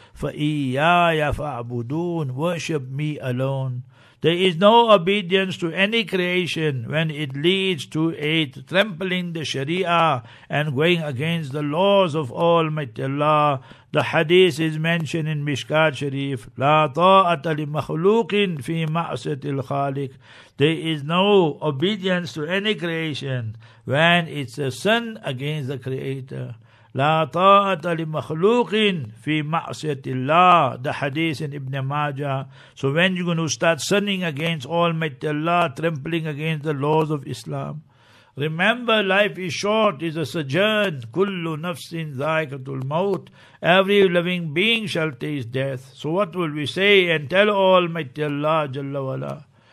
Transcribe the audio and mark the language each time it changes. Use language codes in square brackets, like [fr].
[ar] Fa iyaya fa'budun, [en] worship me alone. There is no obedience to any creation when it leads to it trampling the Sharia and going against the laws of Almighty Allah. The hadith is mentioned in Mishkat Sharif. [ar] لا طاعة لمخلوق في معصية الخالق. [en] There is no obedience to any creation when it's a sin against the Creator. [ar] لا طاعة لمخلوق في معصية الله. [en] The hadith in Ibn Majah. So when you're going to start sinning against Almighty Allah, trampling against the laws of Islam. Remember, life is short, is a sojourn. [ar] كُلُّ نَفْسٍ ذَائِقَةُ الْمَوْتِ, [en] every living being shall taste death. So what will we say and tell Almighty Allah Jalla Wala?